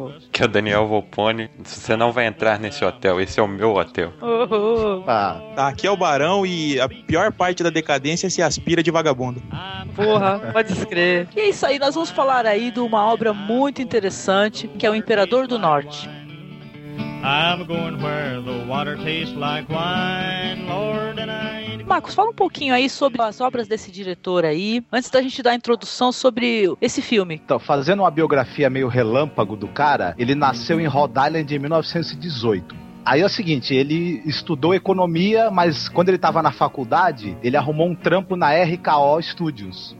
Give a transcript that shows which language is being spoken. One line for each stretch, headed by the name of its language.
Portuguese: Que é o Daniel Volpone, você não vai entrar nesse hotel, esse é o meu hotel. Aqui é o Barão, e a pior parte da decadência se aspira de vagabundo. Porra, pode escrever. E é isso aí, nós vamos falar aí de uma obra muito interessante, que é o Imperador do Norte.
English: I'm going where the water tastes like wine, Lord, and I...
Portuguese: Marcos, fala um pouquinho aí sobre as obras desse diretor aí, antes da gente dar a introdução sobre esse filme. Então, fazendo uma biografia meio relâmpago do cara, ele nasceu em Rhode Island em 1918. Aí é o seguinte, ele estudou economia, mas quando ele estava na faculdade, ele arrumou um trampo na RKO Studios.